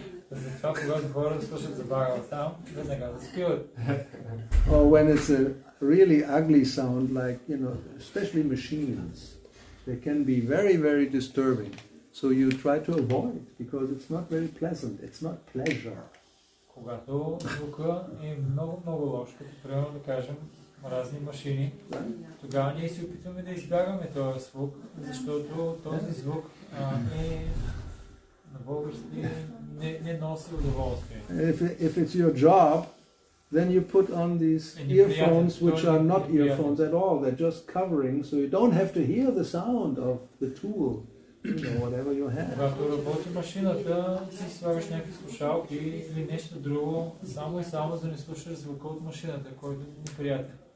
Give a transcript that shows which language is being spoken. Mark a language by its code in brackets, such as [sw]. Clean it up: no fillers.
[bg] Затова, когато хора слушат за Бхагаватам, веднага заспиват. [en] Or when it's a really ugly sound, like, you know, especially machines, they can be very, very disturbing. So you try to avoid, because it's not very pleasant, it's not pleasure. [bg] Когато звука е много, много лош, като примерно да кажем разни машини, тогава ние се опитваме да избягаме този звук, защото този звук е на български не носи удоволствие. [en] If it's your job, then you put on these earphones, which are not earphones at all. They're just covering, so you don't have to hear the sound of the tool, you know, whatever you have. [bg] Когато работи машината, си слагаш някакви слушалки или нещо друго, само и само да не слушаш звука от машината, който е неприятен.